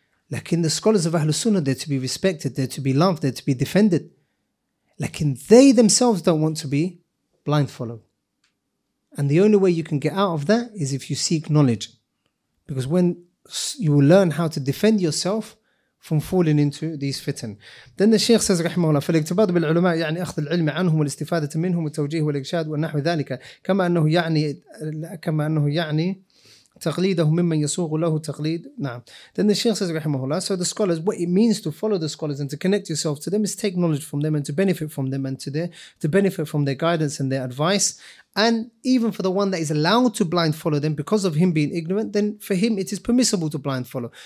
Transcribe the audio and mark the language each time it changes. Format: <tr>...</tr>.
<en>Lakin the scholars of Ahlul Sunnah, they're to be respected, they're to be loved, they're to be defended. Lakin they themselves don't want to be blind followed. And the only way you can get out of that is if you seek knowledge. Because when you will learn how to defend yourself from falling into these fitan. Then the Sheikh says,</en> <ar>"Rahimahullah, فالاقتباط بالعلماء يعني أخذ العلم عنهم والاستفادة منهم والتوجيه والإرشاد والنحو ذلك كما أنه يعني كما أنه يعني تقليدهم ممن يسوغ له تقليد." نعم.</ar> <en>Then the Sheikh says, "Rahimahullah, so the scholars, what it means to follow the scholars and to connect yourself to them is take knowledge from them and to benefit from them and to benefit from their guidance and their advice. And even for the one that is allowed to blind follow them because of him being ignorant, then for him it is permissible to blind follow.</en>